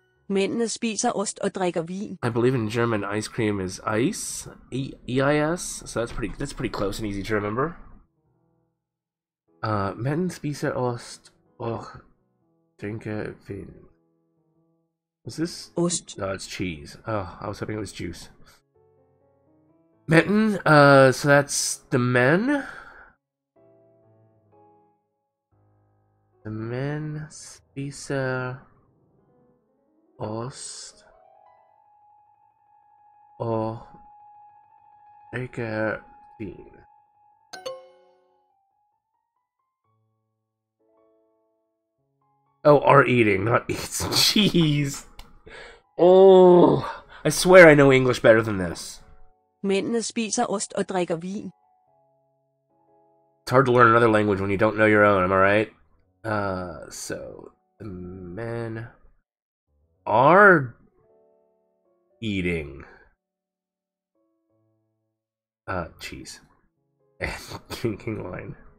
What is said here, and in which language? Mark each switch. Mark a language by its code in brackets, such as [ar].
[da] Mændene spiser ost og drikker vin. [en] I believe in German ice cream is ice. E-I-S. So that's pretty close and easy to remember. [da] Mænden spiser ost og drikker vin. [en] Is this? [da] Ost. [en] No, it's cheese. Oh, I was hoping it was juice. Mitten, so that's the men. The men [da] spiser ost og drikker vin. [en] Oh, are eating, not eats. Jeez. Oh, I swear I know English better than this. [da] Mændene spiser ost og drikker vin. [en] It's hard to learn another language when you don't know your own, am I right? So, the men are eating. Cheese. And drinking wine.